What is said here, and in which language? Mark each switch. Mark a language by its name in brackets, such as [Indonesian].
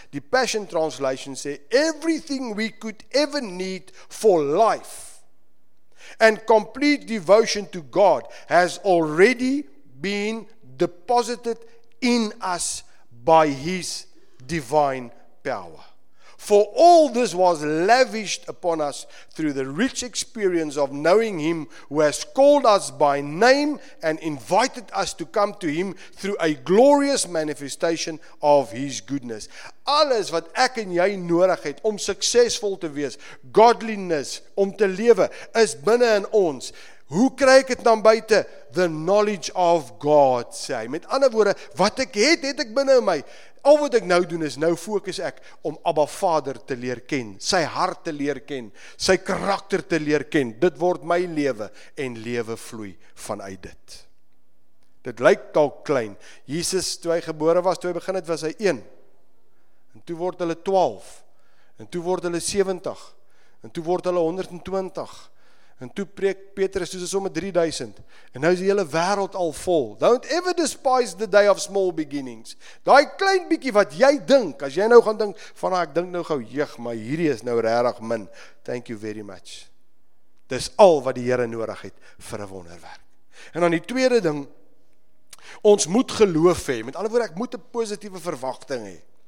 [English] The Passion Translation says, everything we could ever need for life and complete devotion to God has already been deposited in us by his divine power. For all this was lavished upon us through the rich experience of knowing Him who has called us by name and invited us to come to Him through a glorious manifestation of His goodness. [Afrikaans] Alles wat ek en jy nodig het om suksesvol te wees, godliness, om te lewe, is binne in ons. Hoe kry ek dit dan buite? The knowledge of God, sê hy. Met ander woorde, wat ek het, het ek binne in my. Al wat ek nou doen is, nou fokus ek om Abba Vader te leer ken, sy hart te leer ken, sy karakter te leer ken. Dit word my lewe en lewe vloei vanuit dit. Dit lyk dalk klein. Jesus, toe hy gebore was, toe hy begin het, was hy 1. En toe word hulle 12. En toe word hulle 70. En toe word hulle 120. En toe preek Petrus, toe is om 3000. En nou is die hele wêreld al vol. [English] Don't ever despise the day of small beginnings. [Afrikaans] Daai klein bietjie wat jy dink, as jy nou gaan dink, van ek dink nou gou, jeeg, maar hierdie is nou regtig min. Thank you very much. Dis al wat die Here nodig het vir 'n wonderwerk. En dan die tweede ding, ons moet geloof hê. Met ander woorde, ek moet 'n positiewe verwagting hê.